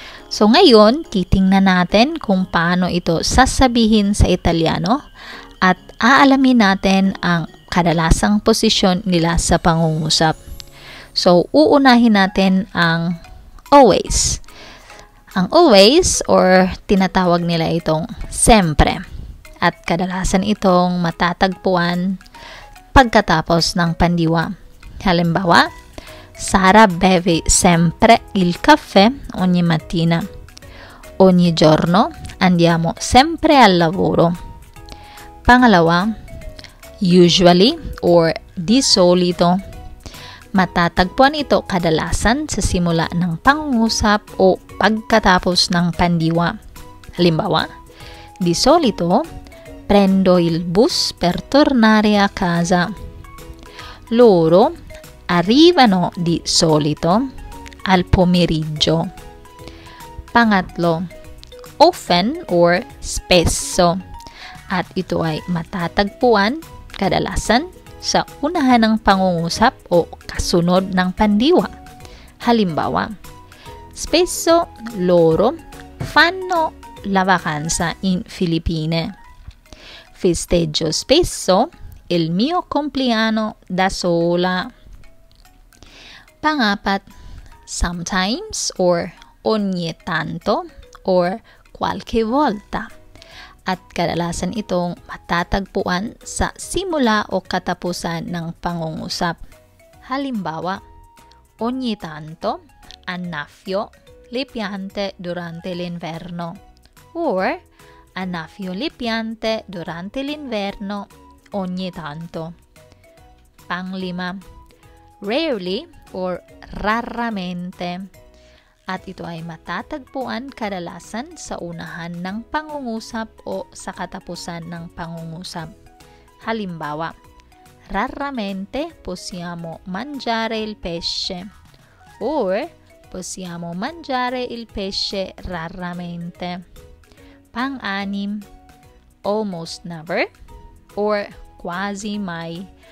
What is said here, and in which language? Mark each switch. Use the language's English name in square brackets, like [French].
[Filipino] So, ngayon, titingnan natin kung paano ito sasabihin sa Italiano at aalamin natin ang kadalasang posisyon nila sa pangungusap. So, uunahin natin ang always. Ang always or tinatawag nila itong sempre. At kadalasan itong matatagpuan pagkatapos ng pandiwa. [Italian] Halimbawa, Sara beve sempre il caffè ogni mattina. Ogni giorno andiamo sempre al lavoro. [Filipino] Pangalawa, usually or di solito. Matatagpuan ito kadalasan sa simula ng pangungusap o pagkatapos ng pandiwa. [Italian] Halimbawa, di solito, prendo il bus per tornare a casa. Loro arrivano di solito al pomeriggio. [Filipino] Pangatlo, often or spesso. At ito ay matatagpuan kadalasan sa unahan ng pangungusap o kasunod ng pandiwa. [Italian] Halimbawa, spesso loro fanno la vacanza in Filipine. Festeggio spesso il mio compleanno da sola. [Filipino] Pangapat, sometimes or ogni tanto or qualche volta. At kadalasan itong matatagpuan sa simula o katapusan ng pangungusap. [Italian] Halimbawa, ogni tanto annaffio le piante durante l'inverno. Or, annaffio le piante durante l'inverno ogni tanto. [Filipino] Panglima, rarely or raramente. At ito ay matatagpuan kadalasan sa unahan ng pangungusap o sa katapusan ng pangungusap. [Italian] Halimbawa, raramente possiamo mangiare il pesce. Or, possiamo mangiare il pesce raramente. [Filipino] Pang-anim, almost never or quasi mai.